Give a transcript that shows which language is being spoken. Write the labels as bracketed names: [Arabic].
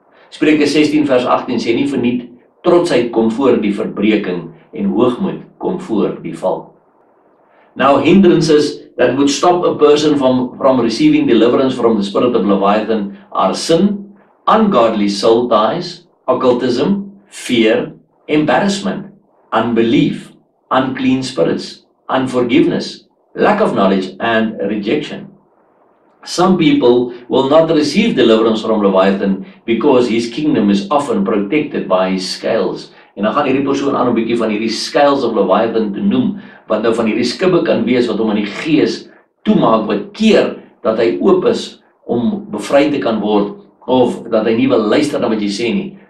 [Afrikaans] Spreuke 16 vers 18 sê nie verniet, trotsheid kom voor die verbreeking en hoogmoed kom voor die val. [English] Now hindrances that would stop a person from receiving deliverance from the spirit of Leviathan are sin, ungodly soul ties, occultism, fear, embarrassment, unbelief, unclean spirits, unforgiveness, lack of knowledge and rejection. Some people will not receive deliverance from Leviathan because his kingdom is often protected by his scales. [Afrikaans] En dan gaan hierdie persoon aan 'n bietjie van hierdie [English] scales of Leviathan [Afrikaans] te noem, wat nou van hierdie skibbe kan wees wat hom in die gees toemaak, wat keer dat hy oop is om bevry te kan word, of dat hy nie wil luister na wat jy sê nie.